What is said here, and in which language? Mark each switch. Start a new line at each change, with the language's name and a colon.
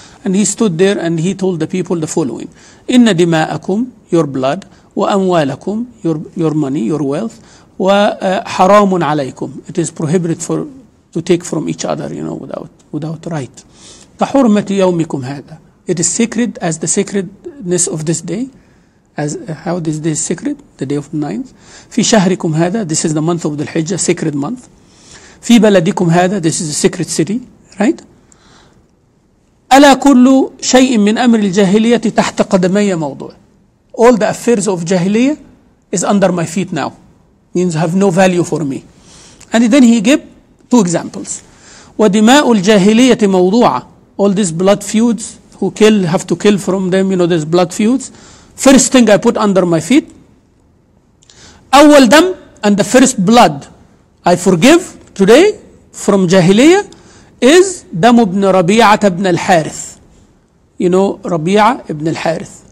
English: And he stood there, and he told the people the following.
Arabic: إِنَّ دِمَاءَكُمْ
English: your blood,
Arabic: وَأَمْوَالَكُمْ
English: your money, your wealth,
Arabic: وَحَرَامٌ عَلَيْكُمْ
English: it is prohibited for to take from each other, you know, without right.
Arabic: كَحُرْمَةِ يَوْمِكُمْ هَذَا
English: it is sacred as the sacredness of this day. As how this day is sacred, the day of the ninth.
Arabic: فِي شَهْرِكُمْ هَذَا
English: this is the month of the Hijjah, sacred month.
Arabic: في بلدكم هذا,
English: this is a secret city, right?
Arabic: ألا كل شيء من أمر الجاهلية تحت قدمي موضوع.
English: All the affairs of jahiliya is under my feet now. Means have no value for me. And then he gave two examples.
Arabic: ودماء الجاهلية موضوعة.
English: All these blood feuds, who kill, have to kill from them, you know, these blood feuds. First thing I put under my feet.
Arabic: أول دم
English: and the first blood I forgive today from jahiliya is
Arabic: دم ابن ربيعة ابن الحارث.
English: You know, ربيعة ابن الحارث.